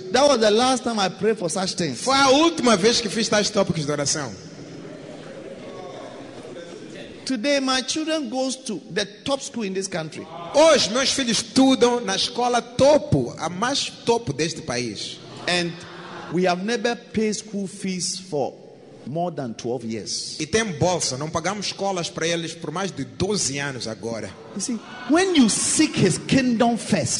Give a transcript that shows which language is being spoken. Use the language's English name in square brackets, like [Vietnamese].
[English] That was the last time I prayed for such things. [Portuguese] Foi a última vez que fiz tais tópicos de oração. [English] Today my children go to the top school in this country. [Portuguese] Hoje meus filhos estudam na escola topo, a mais topo deste país. [English] And we have never paid school fees for more than 12 years. [Portuguese] E tem bolsa, não pagamos escolas para eles por mais de 12 anos agora. [English] You see, when you seek his kingdom first.